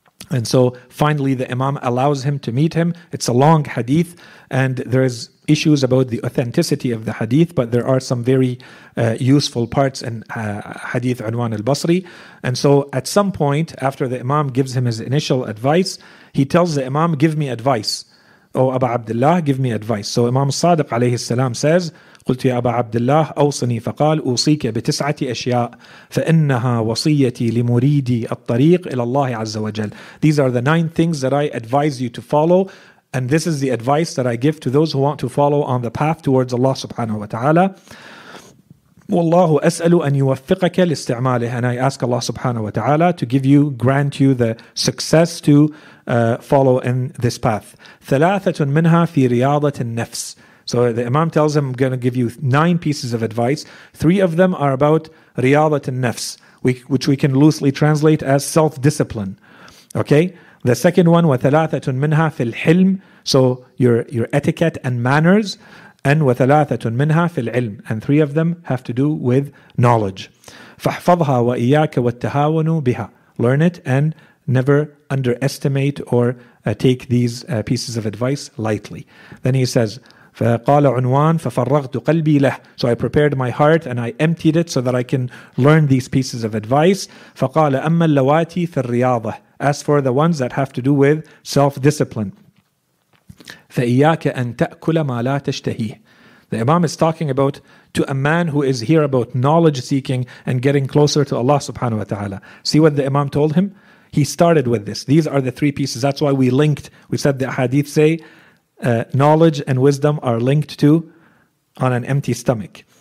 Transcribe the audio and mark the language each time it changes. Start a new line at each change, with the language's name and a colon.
English: And so finally the Imam allows him to meet him. It's a long hadith, and there is issues about the authenticity of the hadith, but there are some very useful parts in hadith Unwan al-Basri. And so at some point, after the Imam gives him his initial advice, he tells the Imam, give me advice. Oh, Aba Abdullah, give me advice. So Imam Sadiq alayhi salam says,
Arabic: قلت يا أبا عبد الله أوصني فقال أوصيك بتسعة أشياء فإنها وصيتي لمريدي الطريق إلى الله عز وجل.
English: These are the 9 things that I advise you to follow, and this is the advice that I give to those who want to follow on the path towards Allah subhanahu wa ta'ala.
Arabic: والله أسأل أن يوفقك لاستعماله.
English: And I ask Allah subhanahu wa ta'ala to give you, grant you the success to follow in this path.
Arabic: ثلاثة منها في رياضة النفس.
English: So the Imam tells him, I'm going to give you 9 pieces of advice. 3 of them are about riyadat al-nafs, which we can loosely translate as self-discipline. Okay? The second one,
Arabic: وَثَلَاثَةٌ مِنْهَا فِي الْحِلْمِ.
English: So your etiquette and manners. And
Arabic: وَثَلَاثَةٌ مِنْهَا فِي الْعِلْمِ.
English: And 3 of them have to do with knowledge.
Arabic: فَحْفَظْهَا وَإِيَّاكَ وَالتَّهَاوَنُ بِهَا.
English: Learn it and never underestimate or take these pieces of advice lightly. Then he says,
Arabic: فقال عنوان ففرغت قلبي له.
English: So I prepared my heart and I emptied it so that I can learn these pieces of advice.
Arabic: فقال أما اللواتي في الرياضة.
English: As for the ones that have to do with self-discipline.
Arabic: فإياك أن تأكل ما لا تشتهيه.
English: The Imam is talking about to a man who is here about knowledge seeking and getting closer to Allah subhanahu wa ta'ala. See what the Imam told him? He started with this. These are the 3 pieces. That's why we linked. We said the hadith say, knowledge and wisdom are linked to on an empty stomach.